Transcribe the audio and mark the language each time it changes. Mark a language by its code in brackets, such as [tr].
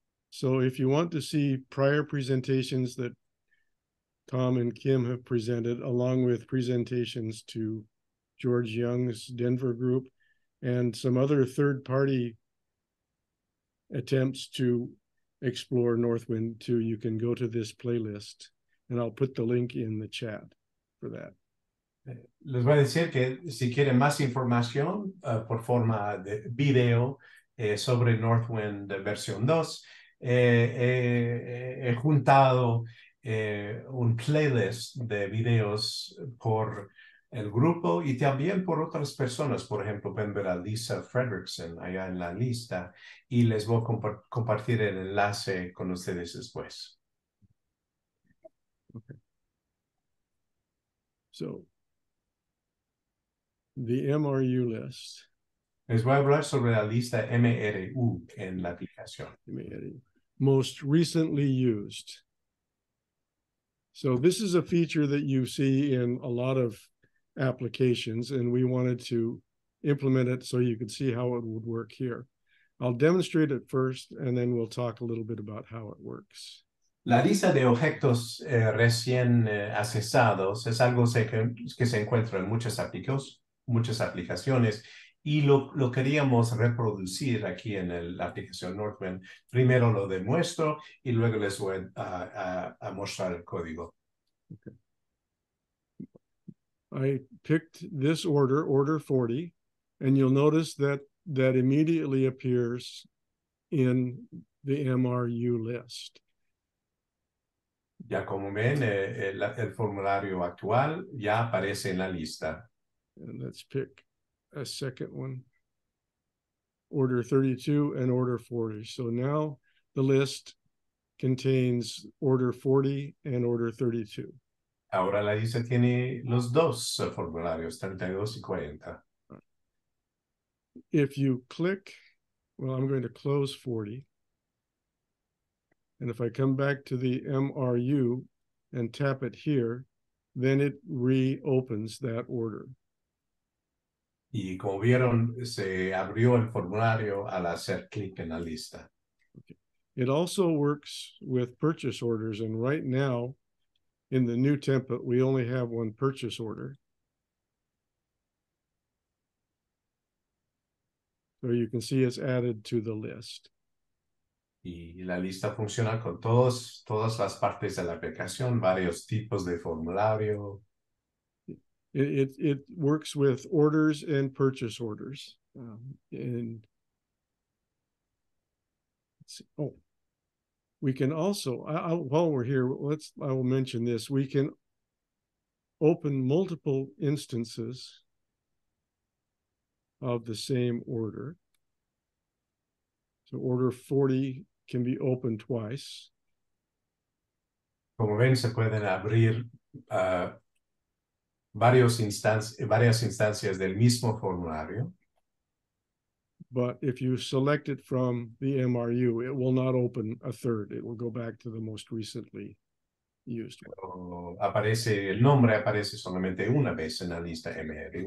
[en] So if you want to see prior presentations that Tom and Kim have presented, along with presentations to George Young's Denver group and some other third party attempts to explore Northwind 2, you can go to this playlist and I'll put the link in the chat for that. [es] Les voy a decir que si quieren más información por forma de video sobre Northwind versión 2, he juntado un playlist de videos por el grupo y también por otras personas, por ejemplo, pueden ver a Lisa Fredrickson allá en la lista y les voy a compartir el enlace con ustedes después. [en] Okay. So, the MRU list. [es] Les voy a hablar sobre la lista MRU en la aplicación. [en] Most recently used. So this is a feature that you see in a lot of applications, and we wanted to implement it so you could see how it would work here. I'll demonstrate it first, and then we'll talk a little bit about how it works. [es] La lista de objetos recién accesados es algo que se encuentra en muchas aplicaciones, y lo queríamos reproducir aquí en la aplicación Northwind. Primero lo demuestro y luego les voy a mostrar el código. [en] Okay. I picked this order 40, and you'll notice that immediately appears in the MRU list. [es] Ya como ven, el formulario actual ya aparece en la lista. [en] And let's pick a second one, order 32 and order 40. So now the list contains order 40 and order 32. [es] Ahora la lista tiene los dos formularios, 32 y 40. [en] If you click, well, I'm going to close 40. And if I come back to the MRU and tap it here, then it reopens that order. [es] Y como vieron, se abrió el formulario al hacer clic en la lista. [en] Okay. It also works with purchase orders. And right now, in the new template, we only have one purchase order. So you can see it's added to the list. [es] y la lista funciona con todas las partes de la aplicación, varios tipos de formulario. [en] It works with orders and purchase orders. We can also, while we're here, I will mention this. We can open multiple instances of the same order. So order 40 can be opened twice. [es] Como ven, se pueden abrir varias instancias del mismo formulario. [en] But if you select it from the MRU, it will not open a third. It will go back to the most recently used one. [es] Pero aparece el nombre, aparece solamente una vez en la lista MRU.